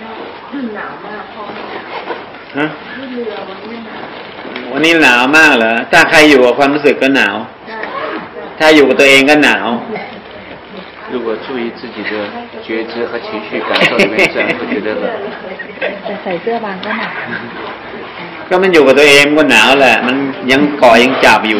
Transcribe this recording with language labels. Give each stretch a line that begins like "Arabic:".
Thai: ดวันนี้หนาวมากเหรอถ้าใครอยู่กับความรู้สึกก็หนาวถ้าอยู่กับตัวเองก็หนาว
Chinese: 如果注意自己的觉知和情绪感受的面相不觉得冷
Thai: ใส่เสื้อบางก็หนาว ก็มันอยู่กับตัวเองก็หนาวแหละมันยังเกาะยังจับอยู